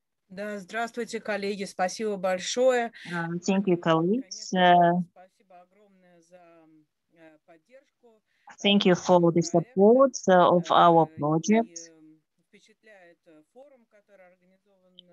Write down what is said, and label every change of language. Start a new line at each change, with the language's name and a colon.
Russian: Да, здравствуйте, коллеги. Спасибо большое.
English: Thank you, colleagues.
Russian: Спасибо огромное за поддержку.
English: Thank you for the support of our project.
Russian: Впечатляет форум, который организован.